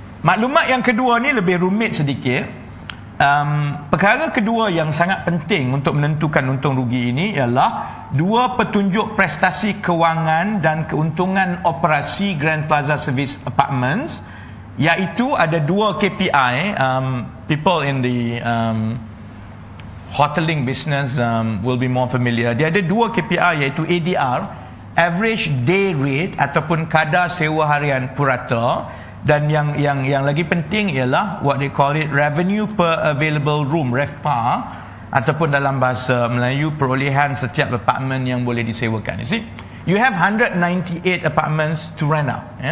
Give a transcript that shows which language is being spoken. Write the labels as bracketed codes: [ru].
[ms] Maklumat yang kedua ni lebih rumit sedikit. Perkara kedua yang sangat penting untuk menentukan untung rugi ini ialah dua petunjuk prestasi kewangan dan keuntungan operasi Grand Plaza Service Apartments, iaitu ada dua KPI. [en] People in the hoteling business will be more familiar. [ms] Dia ada dua KPI iaitu ADR, average day rate ataupun kadar sewa harian purata, dan yang lagi penting ialah [en] what they call it revenue per available room, [ms] RevPAR, ataupun dalam bahasa Melayu perolehan setiap apartmen yang boleh disewakan. [en] You see, you have 198 apartments to rent out.